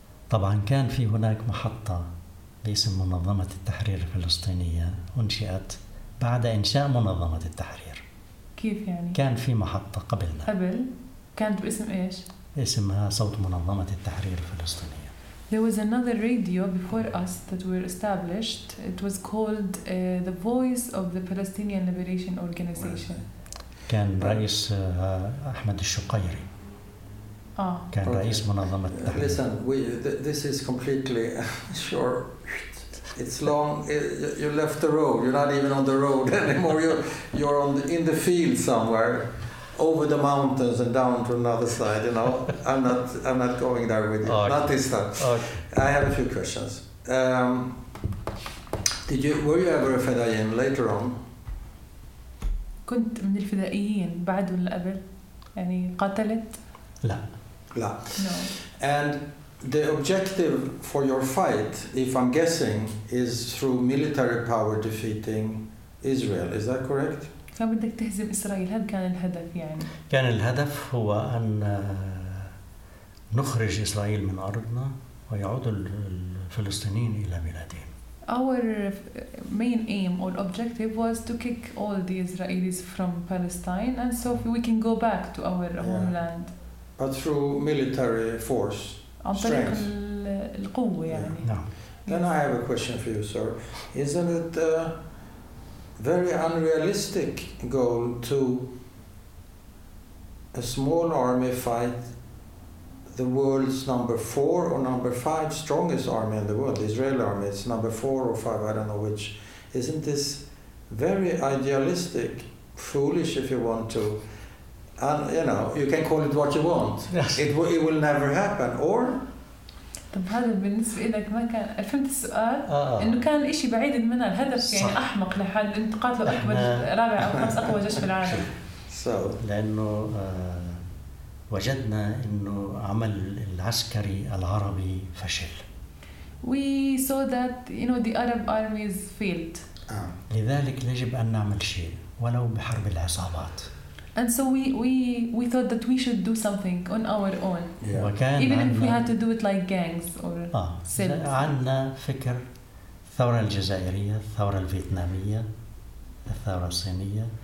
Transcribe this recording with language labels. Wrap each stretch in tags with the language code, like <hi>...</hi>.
<ar>طبعا كان في هناك محطة باسم منظمة التحرير الفلسطينية أنشئت بعد إنشاء منظمة التحرير. كيف يعني؟ كان في محطة قبلنا. قبل؟ كانت باسم إيش؟ اسمها صوت منظمة التحرير الفلسطينية.</ar> <en>There was another radio before us that were established. It was called the Voice of the Palestinian Liberation Organization.</en> <ar>كان رئيس أحمد الشقيري. كان رئيس منظمة التحرير.</ar> <en>Listen, this is completely short. It's long. You left the road. You're not even on the road anymore. You're on the, in the field somewhere, over the mountains and down to another side. You know, I'm not going there with you. Okay. Not this time. Okay. I have a few questions. Were you ever a fedayeen later on?</en> <ar>كنت من الفدائيين بعد ولا قبل يعني قاتلت لا لا</ar> <en>no. And the objective for your fight, if I'm guessing, is through military power defeating Israel, is that correct?</en> <ar>فبدك تهزم إسرائيل, هذا كان الهدف يعني. كان الهدف هو أن نخرج إسرائيل من أرضنا ويعود الفلسطينيين إلى بلادهم.</ar> <en>Our main aim or objective was to kick all the Israelis from Palestine and so we can go back to our yeah. homeland. But through military force, strength.</en> <ar>عن طريق القوة يعني.</ar> <en>Then I have a question for you, sir. Isn't it a very unrealistic goal to a small army fight the world's number 4 or number 5 strongest army in the world, the Israeli army, it's number 4 or 5, I don't know which. Isn't this very idealistic, foolish if you want to? And, you know, you can call it what you want. Yes. It will never happen. Or?</en> <ar>طب هذا بالنسبة لك ما كان فهمت السؤال إنه كان الإشي بعيد من الهدف يعني أحمق لحد أنت قاتل أكبر رابع أو خمس أقوى جيش في العالم.</ar> <en>So.</en> <ar>لأنه وجدنا إنه عمل العسكري العربي فشل.</ar> <en>We saw that you know the Arab armies failed.</en> <ar>لذلك يجب أن نعمل شيء ولو بحرب العصابات.</ar> <en>And so we thought that we should do something on our own. Yeah. Even if we had to do it like gangs or.</en> <ar>عنا فكر الثورة الجزائرية الثورة الفيتنامية الثورة الصينية.</ar>